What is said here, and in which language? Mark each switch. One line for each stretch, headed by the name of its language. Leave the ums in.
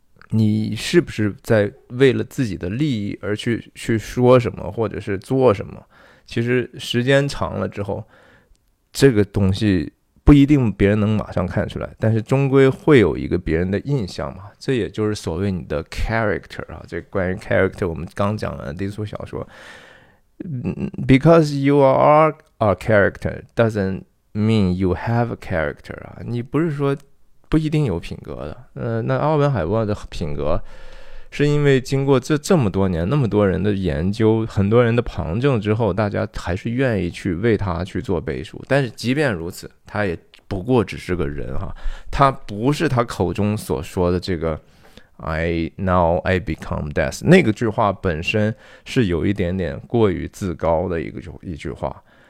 Chinese: 你是不是在为了自己的利益而去去说什么或者是做什么？其实时间长了之后，这个东西不一定别人能马上看出来，但是终归会有一个别人的印象嘛。这也就是所谓你的 character 啊。这关于 character，我们刚讲了低俗小说。
English: 嗯 Because you are a character doesn't mean you have a character
Chinese: 啊，你不是说不一定有品格的。呃，那奥本海默的品格。是因为经过这这么多年、那么多人的研究、很多人的旁证之后，大家还是愿意去为他去做背书。但是即便如此，他也不过只是个人哈、啊，他不是他口中所说的这个
English: “I now I become death”
Chinese: 那个句话本身是有一点点过于自高的一个句一句话。